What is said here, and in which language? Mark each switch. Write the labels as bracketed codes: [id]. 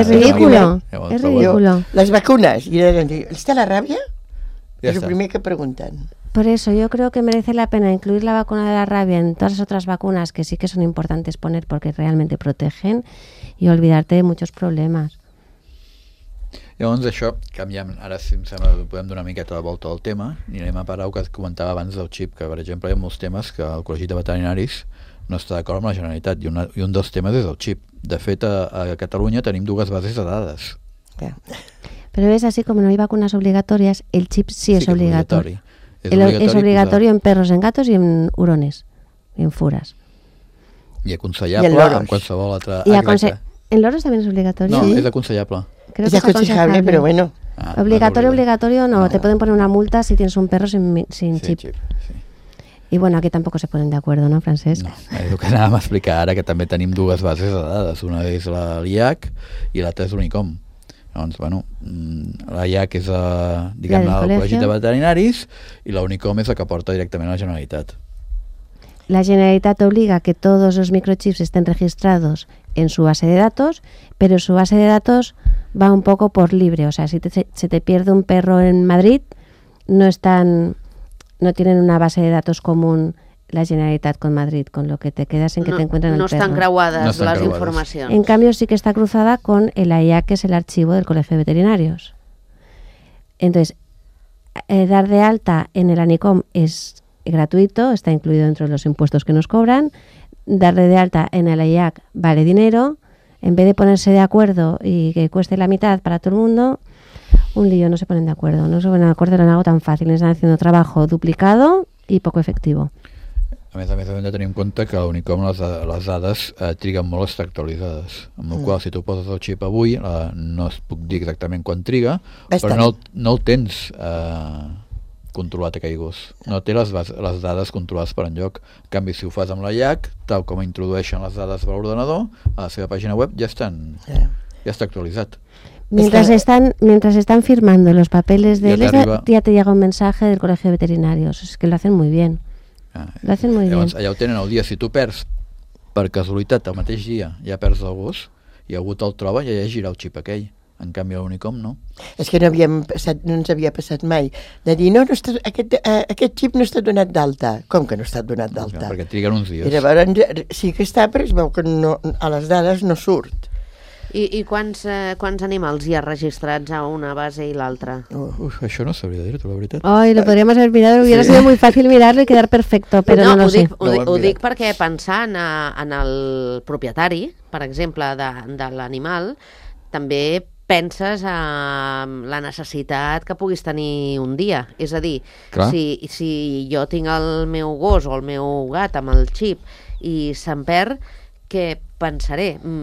[es] Es ridículo. Es ridículo. Las vacunas. ¿Está la rabia? Ya es lo primero que preguntan. Por eso, yo creo que merece la pena incluir la vacuna de la rabia en todas las otras vacunas que sí que son importantes poner porque realmente protegen y olvidarte de muchos problemas. [ca] Llavors, això, canviem, ara si em sembla que podem donar una miqueta de volta al tema, anirem a parar el que comentava abans del xip, que per exemple hi ha molts temes que el Col·legi de Veterinaris no està d'acord amb la Generalitat, i un dels temes és el xip. De fet, a Catalunya tenim dues bases de dades. Però és així, com no hi ha vacunes obligatòries, el xip sí és obligatori. És obligatori [es] en perros, en gatos [ca] i en hurones, en fures. I aconsellable en qualsevol altre acte. En loros també és obligatori? No, és aconsellable. [es] Creo es aconsejable, pero bueno. Obligatorio, no. Te pueden poner una multa si tienes un perro sin sí, chip. Y bueno, aquí tampoco se ponen de acuerdo, ¿no, Francesc? No, es lo que [ca] anàvem a explicar ara, que també tenim dues bases de dades. Una és la IAC i l'altra és l'Unicom. Llavors, bueno, la IAC és, diguem-ne, el Col·legi de Veterinaris i l'Unicom és la que porta directament a la Generalitat. [es] La Generalitat obliga que todos los microchips estén registrados en su base de datos, pero su base de datos va un poco por libre. O sea, si se te pierde un perro en Madrid, no tienen una base de datos común la Generalitat con Madrid, con lo que te quedas en que no, te encuentran no el perro. No están creuadas las informaciones. En cambio, sí que está cruzada con el AIAC, que es el archivo del Colegio de Veterinarios. Entonces, dar de alta en el ANICOM es gratuito, está incluido dentro de los impuestos que nos cobran. Darle de alta en el IAC vale dinero. En vez de ponerse de acuerdo y que cueste la mitad para todo el mundo, un lío, no se ponen de acuerdo. No se ponen de acuerdo en algo tan fácil. Están haciendo trabajo duplicado y poco efectivo. [ca] A més, hem de tenir en compte que l'Unicom les dades triguen molt a estar actualitzades. Amb el qual, si tu poses el xip avui, no es puc dir exactament quan triga, però no el tens controlat aquell gos. No té les dades controlades per enlloc. En canvi, si ho fas amb la IAC, tal com introdueixen les dades per l'ordenador, a la seva pàgina web ja està actualitzat. [es] Mentre estan firmando los papeles de ella, ya te llega un mensaje del Colegio de Veterinarios. Es que lo hacen muy bien. Lo hacen muy [ca] llavors, [es] bien. [ca] Allà ho tenen el dia. Si tu perds, per casualitat, el mateix dia ja perds el gos i algú te'l troba, ja gira el xip aquell. En canvi, a l'Unicom, no. És que no ens havia passat mai. De dir, no està, aquest xip no està donat d'alta. Com que no està donat d'alta? Perquè triguen uns dies. I llavors, sí que està, però es veu que no, a les dades no surt. I quants animals hi ha registrats a una base i l'altra? Això no sabria dir-te, la veritat. [es] Ai, [ca] lo podríem haver mirat, [es] hubiera sido muy fácil mirarlo y quedar perfecto, pero no lo sé. [ca] Ho dic perquè pensant en el propietari, per exemple, de l'animal, també penses en la necessitat que puguis tenir un dia. És a dir, si jo tinc el meu gos o el meu gat amb el xip i se'n perd, què pensaré?